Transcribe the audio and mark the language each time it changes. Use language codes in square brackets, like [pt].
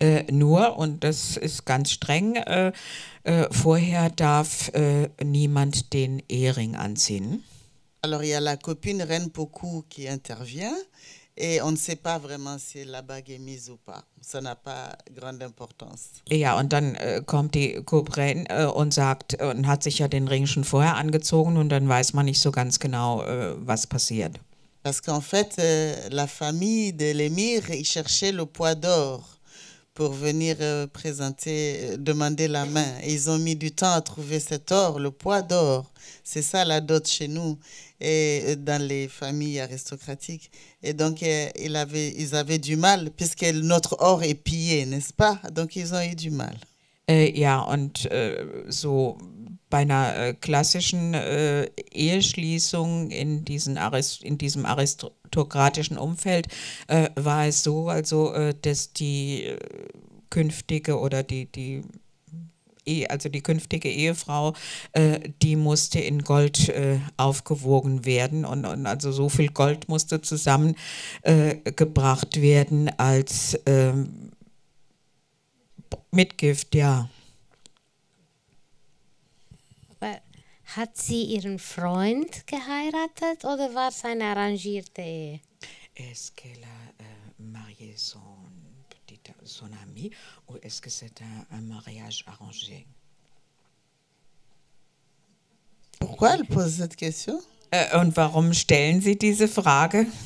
[de] Nur, und das ist ganz streng, vorher darf niemand den Ehering anziehen. [fr] Alors, il y a la copine Reine Pocou qui intervient. Et on ne sait pas vraiment si la bague est mise ou pas. Ça n'a pas grande importance. [de] Ja, und dann kommt die Couperin und sagt, und hat sich ja den Ring schon vorher angezogen, und dann weiß man nicht so ganz genau, was passiert. [fr] Parce qu'en fait, la famille de l'émir, ils cherchaient le poids d'or pour venir présenter, demander la main. Et ils ont mis du temps à trouver cet or, le poids d'or. C'est ça la dot chez nous et dans les familles aristocratiques. Et donc, ils avaient du mal, puisque notre or est pillé, n'est-ce pas? Donc, ils ont eu du mal. [de] Ja, und so bei einer klassischen Eheschließung in diesem aristokratischen Umfeld war es so, also dass die künftige oder die künftige Ehefrau, die musste in Gold aufgewogen werden und also so viel Gold musste zusammengebracht werden als Mitgift, ja. Hat sie ihren Freund geheiratet oder war es eine arrangierte Ehe? [fr] Est-ce qu'elle a marié son petite son ami ou est-ce que c'est un mariage arrangé? Pourquoi elle pose cette question? [de] Und warum stellen Sie diese Frage?